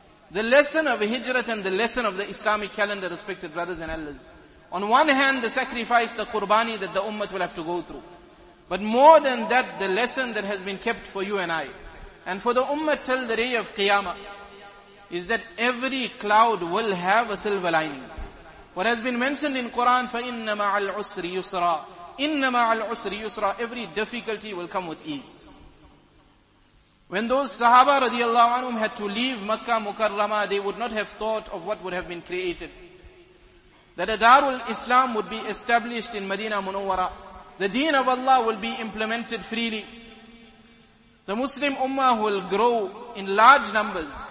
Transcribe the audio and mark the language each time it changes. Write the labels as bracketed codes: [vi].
[en] The lesson of Hijrat and the lesson of the Islamic calendar, respected brothers and elders. On one hand, the sacrifice, the qurbani that the ummah will have to go through. But more than that, the lesson that has been kept for you and I, and for the ummah till the day of Qiyamah, is that every cloud will have a silver lining. What has been mentioned in Quran, [ar] فَإِنَّ مَعَ الْعُسْرِ يُسْرًا إِنَّ مَعَ الْعُسْرِ يُسْرًا. [en] Every difficulty will come with ease. When those Sahaba radiallahu anhum had to leave Makkah Mukarrama, they would not have thought of what would have been created. That a Darul Islam would be established in Madina Munawwara. The deen of Allah will be implemented freely. The Muslim ummah will grow in large numbers.